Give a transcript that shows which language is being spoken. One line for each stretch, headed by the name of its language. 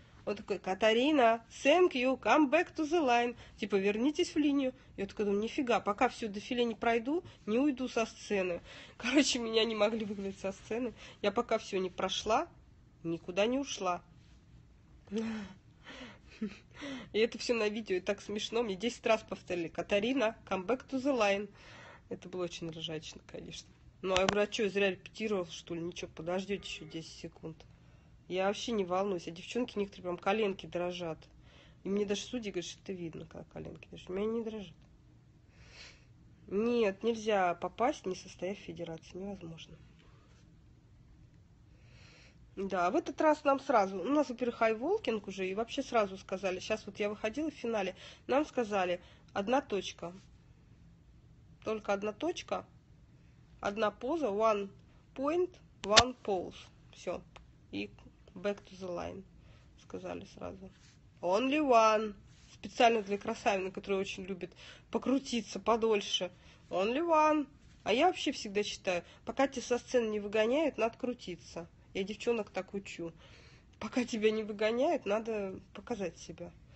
Russian: Он такой: «Катарина,
English: thank you, come back to the line,
Russian: типа, вернитесь в линию». Я такая думаю: «Нифига, пока все дофиле не пройду, не уйду со сцены». Короче, меня не могли выгнать со сцены. Я пока все не прошла, никуда не ушла. И это все на видео, и так смешно. Мне 10 раз повторили: «Катарина,
English: come back to the line».
Russian: Это было очень ржачно, конечно. Ну, а я говорю: «А что, зря репетировал, что ли? Ничего, подождете еще 10 секунд». Я вообще не волнуюсь. А девчонки некоторые прям коленки дрожат. И мне даже судьи говорят, что это видно, когда коленки дрожат. У меня не дрожат. Нет, нельзя попасть, не состояв в федерации. Невозможно. Да, в этот раз нам сразу... У нас, во-первых, хайволкинг уже. И вообще сразу сказали. Сейчас вот я выходила в финале. Нам сказали: одна точка. Только одна точка. Одна поза.
English: One point, one pose.
Russian: Все. И...
English: back to the line,
Russian: сказали сразу.
English: Only one.
Russian: Специально для красавины, которая очень любит покрутиться подольше.
English: Only one.
Russian: А я вообще всегда считаю, пока тебя со сцены не выгоняют, надо крутиться. Я девчонок так учу. Пока тебя не выгоняют, надо показать себя.